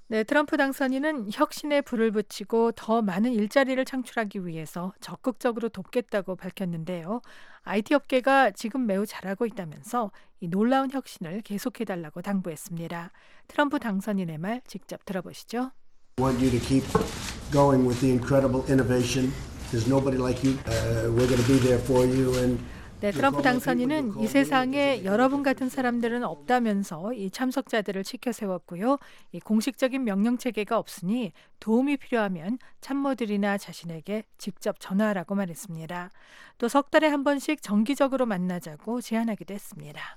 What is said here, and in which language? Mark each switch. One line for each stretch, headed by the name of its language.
Korean: 네, 트럼프 당선인은 혁신에 불을 붙이고 더 많은 일자리를 창출하기 위해서 적극적으로 돕겠다고 밝혔는데요. IT 업계가 지금 매우 잘하고 있다면서 이 놀라운 혁신을 계속해달라고 당부했습니다. 트럼프 당선인의 말 직접 들어보시죠.
English: I want you to keep going with the incredible innovation. There's nobody like you. We're going to be there for you and
Korean: 네, 트럼프 당선인은 이 세상에 여러분 같은 사람들은 없다면서 이 참석자들을 치켜세웠고요. 이 공식적인 명령 체계가 없으니 도움이 필요하면 참모들이나 자신에게 직접 전화하라고 말했습니다. 또 석 달에 한 번씩 정기적으로 만나자고 제안하기도 했습니다.